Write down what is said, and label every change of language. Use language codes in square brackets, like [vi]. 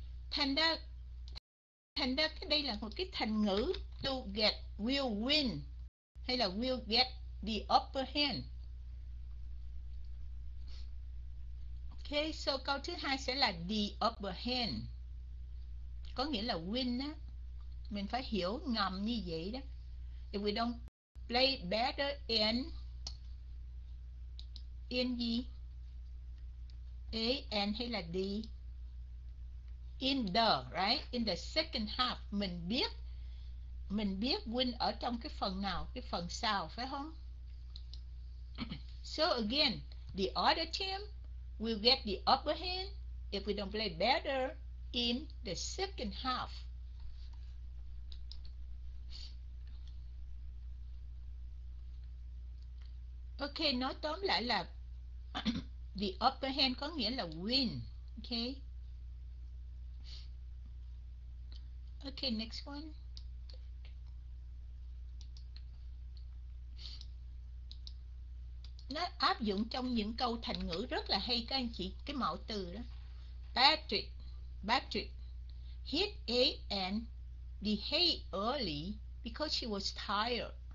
[vi] Thành ra cái đây là một cái thành ngữ [en] to get will win [vi] hay là [en] will get the upper hand. Okay, so [vi] câu thứ hai sẽ là [en] the upper hand. [vi] Có nghĩa là win á. Mình phải hiểu ngầm như vậy đó. [en] If we don't play better in in [vi] gì? [en] A and [vi] hay là [en] D? In the, right? In the second half. [vi] Mình biết win ở trong cái phần nào, cái phần sau, phải không? [en] So again, the other team will get the upper hand if we don't play better in the second half. [vi] Ok, nói tóm lại là [en] the upper hand [vi] có nghĩa là win. Ok. [en] Ok, next one. [vi] Nó áp dụng trong những câu thành ngữ rất là hay các anh chị. Cái mẫu từ đó. [en] Patrick hit A and the hay early because she was tired.